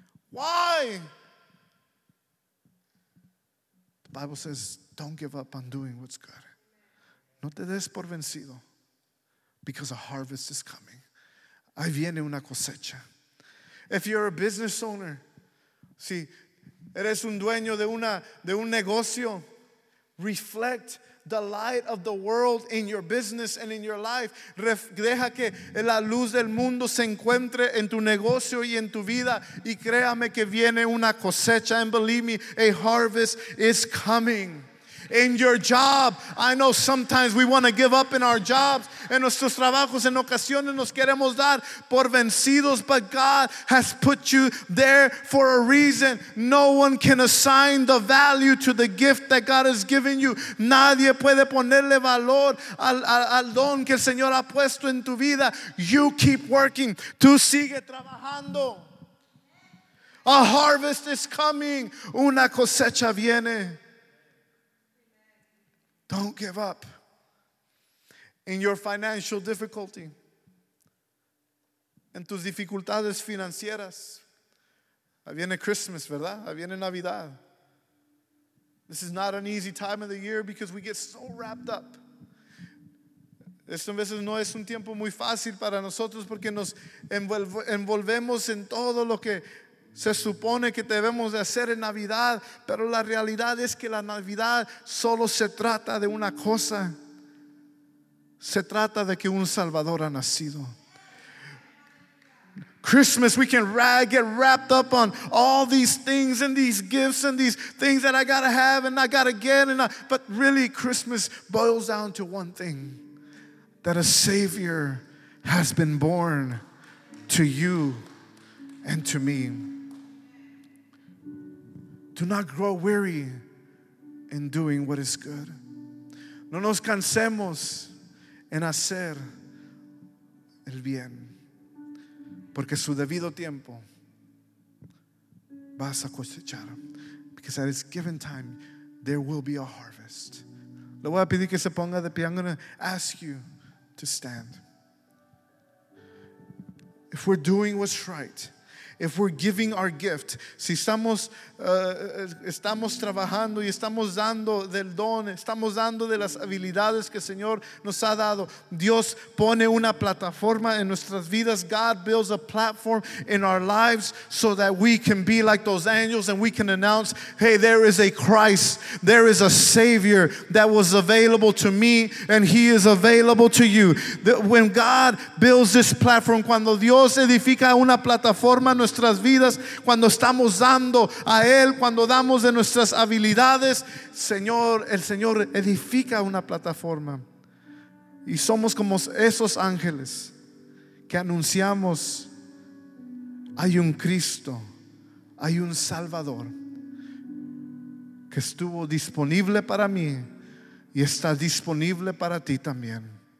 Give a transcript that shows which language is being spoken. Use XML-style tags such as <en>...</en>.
<en>Why? The Bible says, don't give up on doing what's good.</en> <es>No te des por vencido,</es> <en>because a harvest is coming.</en> <es>Ahí viene una cosecha.</es> <en>If you're a business owner,</en> <es>si eres un dueño de un negocio,</es> <en>reflect the light of the world in your business and in your life.</en> <es>Deja que la luz del mundo se encuentre en tu negocio y en tu vida. Y créame que viene una cosecha.</es> <en>And believe me, a harvest is coming. In your job, I know sometimes we want to give up in our jobs.</en> <es>En nuestros trabajos, en ocasiones nos queremos dar por vencidos.</es> <en>But God has put you there for a reason. No one can assign the value to the gift that God has given you.</en> <es>Nadie puede ponerle valor al don que el Señor ha puesto en tu vida.</es> <en>You keep working.</en> <es>Tú sigue trabajando.</es> <en>A harvest is coming.</en> <es>Una cosecha viene.</es> <en>Don't give up. In your financial difficulty,</en> <es>en tus dificultades financieras, viene Christmas, ¿verdad? Viene Navidad.</es> <en>This is not an easy time of the year because we get so wrapped up.</en> <es>Esto a veces no es un tiempo muy fácil para nosotros porque nos envolvemos en todo lo que se supone que debemos de hacer en Navidad, pero la realidad es que la Navidad solo se trata de una cosa. Se trata de que un Salvador ha nacido.</es> <en>Christmas, we can get wrapped up on all these things and these gifts and these things that I gotta have and I gotta get. But really, Christmas boils down to one thing, that a Savior has been born to you and to me. Do not grow weary in doing what is good.</en> <es>No nos cansemos en hacer el bien, porque su debido tiempo vas a cosechar.</es> <en>Because at its given time, there will be a harvest.</en> <es>Le voy a pedir que se ponga de pie.</es> <en>I'm going to ask you to stand. If we're doing what's right, if we're giving our gift,</en> <es>si estamos trabajando y estamos dando del don, estamos dando de las habilidades que el Señor nos ha dado, Dios pone una plataforma en nuestras vidas.</es> <en>God builds a platform in our lives so that we can be like those angels and we can announce, hey, there is a Christ, there is a Savior that was available to me and He is available to you. When God builds this platform,</en> <es>cuando Dios edifica una plataforma, nuestras vidas, cuando estamos dando a Él, cuando damos de nuestras habilidades, Señor, el Señor edifica una plataforma. Y somos como esos ángeles que anunciamos: hay un Cristo, hay un Salvador que estuvo disponible para mí y está disponible para ti también.</es>